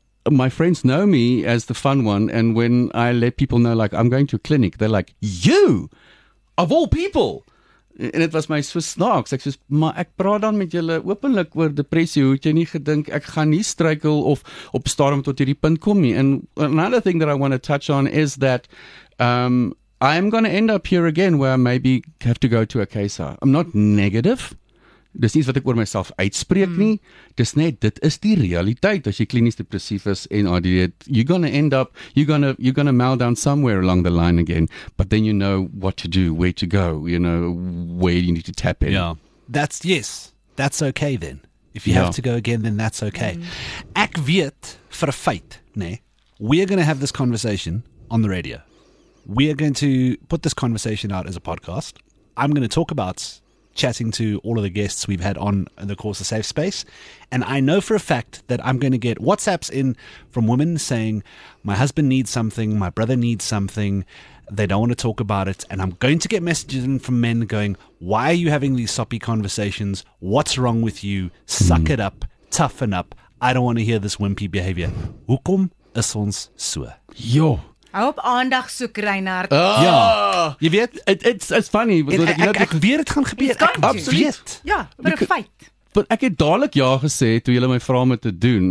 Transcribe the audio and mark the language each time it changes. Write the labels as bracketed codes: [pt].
[en] My friends know me as the fun one. And when I let people know, like, I'm going to a clinic, they're like, you of all people. [af] En dit was my so snaaks. Ek sê, maar ek praat dan met julle openlik oor depressie. Hoe het jy nie gedink ek gaan nie struikel of op storm tot hierdie punt kom nie? [en] And another thing that I want to touch on is that I'm going to end up here again where I maybe have to go to a CASA. I'm not negative. [af] Dis nie wat ek oor myself uitspreek nie. Dis net, dit is die realiteit. As jy klinies depressief is en ADD, [en] you're gonna melt down somewhere along the line again. But then you know what to do, where to go, you know, where you need to tap in. Yeah. That's okay then. If you have to go again, then that's okay. Mm. [af] Ek weet vir 'n feit, nee, [en] we're gonna have this conversation on the radio. We are going to put this conversation out as a podcast. I'm gonna talk about chatting to all of the guests we've had on in the course of Safe Space. And I know for a fact that I'm going to get WhatsApps in from women saying, my husband needs something, my brother needs something, they don't want to talk about it. And I'm going to get messages in from men going, why are you having these soppy conversations? What's wrong with you? Suck it up. Toughen up. I don't want to hear this wimpy behavior. [af] Hoekom is ons so? Yo. Hou op aandag soek, Reinhard. Oh, ja. Jy weet, [en] it's funny. [af] Ek weet het gaan gebeur. Absoluut. Ja, vir 'n feit. But ek het dadelijk ja gesê toe jylle my vraag met te doen.